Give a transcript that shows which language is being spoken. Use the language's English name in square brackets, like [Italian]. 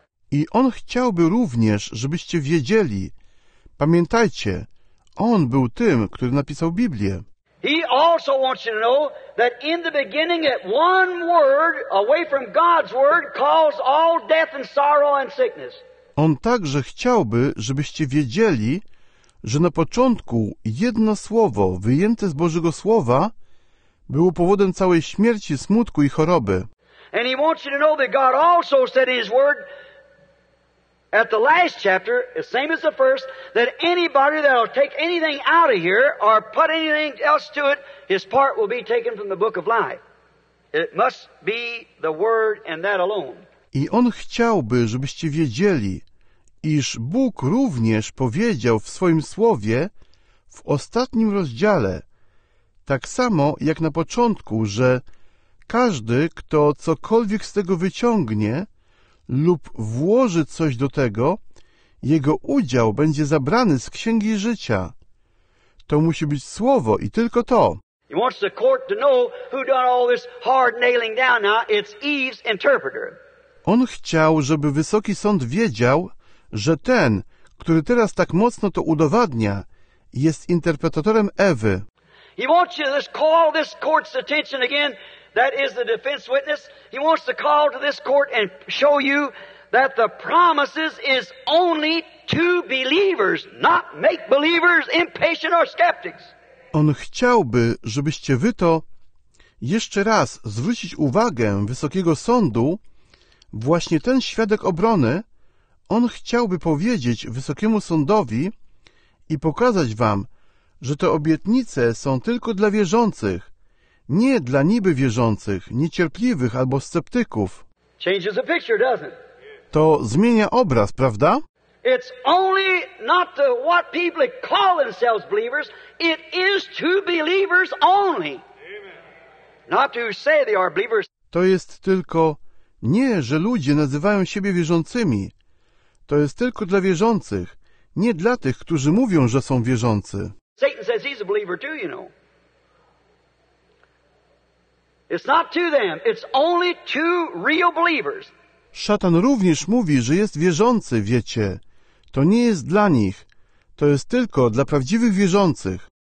[Polish] I on chciałby również, żebyście wiedzieli. Pamiętajcie, on był tym, który napisał Biblię. [English] He also wants you to know that in the beginning that one word away from God's word caused all death and sorrow and sickness. [Polish] On także chciałby, żebyście wiedzieli, że na początku jedno słowo wyjęte z Bożego Słowa było powodem całej śmierci, smutku i choroby. [English] And he wants you to know that God also said his word at the last chapter, the same as the first, that anybody that will take anything out of here or put anything else to it, his part will be taken from the book of life. It must be the word and that alone. [Polish] I on chciałby, żebyście wiedzieli, iż Bóg również powiedział w swoim słowie w ostatnim rozdziale, tak samo jak na początku, że każdy, kto cokolwiek z tego wyciągnie lub włoży coś do tego, jego udział będzie zabrany z Księgi Życia. To musi być słowo i tylko to. [English] He wants the court to know who done all this hard nailing down now. It's Eve's interpreter. [Polish] On chciał, żeby wysoki sąd wiedział, że ten, który teraz tak mocno to udowadnia, jest interpretatorem Ewy. [English] He wants you to call this court's attention again. That is the defense witness. He wants to call to this court and show you that the promises is only to believers, not make believers impatient or skeptics. [Polish] On chciałby, żebyście wy to jeszcze raz zwrócić uwagę wysokiego sądu, właśnie ten świadek obrony, on chciałby powiedzieć wysokiemu sądowi i pokazać wam, że te obietnice są tylko dla wierzących, nie dla niby wierzących, niecierpliwych albo sceptyków. [English] Changes the picture, doesn't it? [Polish] To zmienia obraz, prawda? [English] It's only not to what people call themselves believers. It is to believers only. Amen. Not to say they are believers. [Polish] To jest tylko nie, że ludzie nazywają siebie wierzącymi. To jest tylko dla wierzących, nie dla tych, którzy mówią, że są wierzący. [English] Satan says he's a believer too, you know. It's not to them, it's only to real believers. [Polish] Szatan również mówi, że jest wierzący, wiecie. To nie jest dla nich. To jest tylko dla prawdziwych wierzących.